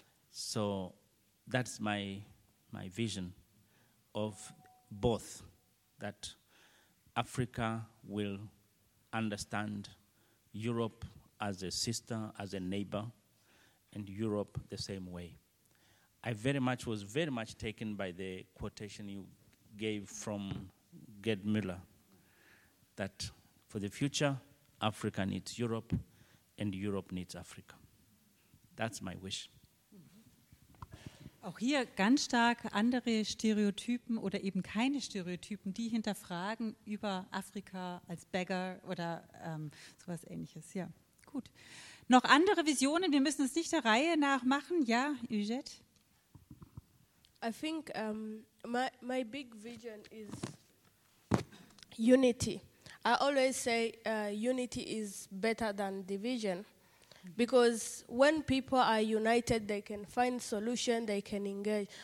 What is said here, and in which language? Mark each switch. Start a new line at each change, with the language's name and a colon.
English: So that's my vision of both, that Africa will understand Europe as a sister, as a neighbor, and Europe the same way. I was very much taken by the quotation you gave from Gerd Müller, that for the future, Africa needs Europe, and Europe needs Africa. That's my wish.
German: Auch hier ganz stark andere Stereotypen oder eben keine Stereotypen, die hinterfragen über Afrika als Beggar oder sowas Ähnliches. Ja, gut. Noch andere Visionen? Wir müssen es nicht der Reihe nach machen. Ja, Eugette?
English: I think my big vision is unity. I always say unity is better than division. Because when people are united, they can find solution, they can engage.